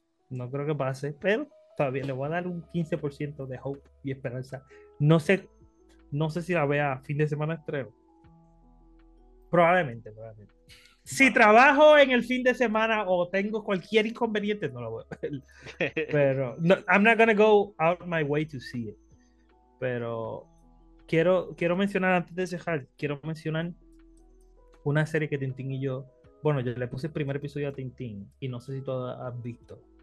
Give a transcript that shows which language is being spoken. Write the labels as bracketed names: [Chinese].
[Spanish] No creo que pase, pero todavía le voy a dar un 15% de hope y esperanza. No sé si la vea fin de semana estreno. Probablemente. Si trabajo en el fin de semana o tengo cualquier inconveniente, no la voy a ver. Pero no, [English] I'm not gonna go out my way to see it. [Spanish] Pero Quiero mencionar, antes de cerrar, quiero mencionar una serie que Tintín y yo... Bueno, yo le puse el primer episodio a Tintín y no sé si tú has visto.